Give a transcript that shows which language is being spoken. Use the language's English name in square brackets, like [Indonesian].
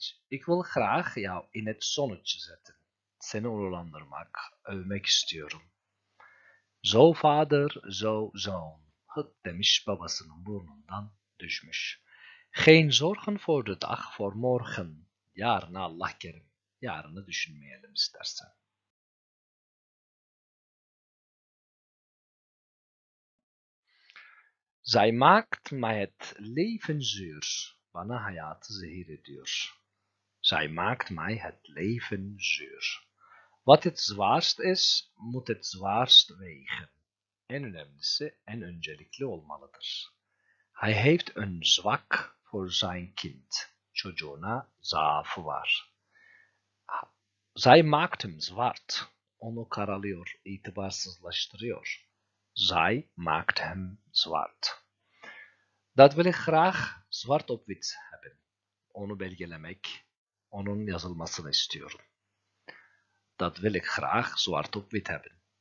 [Dutch] Ik wil graag jou in het zonnetje zetten. [Turkish] Seni onurlandırmak, övmek istiyorum. [Dutch] Zo vader, zo zoon. [Turkish] Hıt demiş babasının burnundan düşmüş. [Dutch] Geen zorgen voor de dag, voor morgen. [Turkish] Yarına Allah kerim. Yarını düşünmeyelim istersen. [Dutch] Zij maakt mij het leven zuur. [Turkish] Bana hayatı zehir ediyor. [Dutch] Zij maakt mij het leven zuur. Wat het zwaarst is, moet het zwaarst wegen. [Turkish] En önemlisi en öncelikli olmalıdır. [Dutch] Hij heeft een zwak voor zijn kind. [Turkish] Çocuğuna zaafı var. [Dutch] Zij maakt hem zwart. [Turkish] Onu karalıyor, itibarsızlaştırıyor. [Dutch] Zij maakt hem zwart. Dat wil ik graag zwart op wit hebben. [Turkish] Onu belgelemek, onun yazılmasını istiyorum. [Dutch] Dat wil ik graag zwart op wit hebben.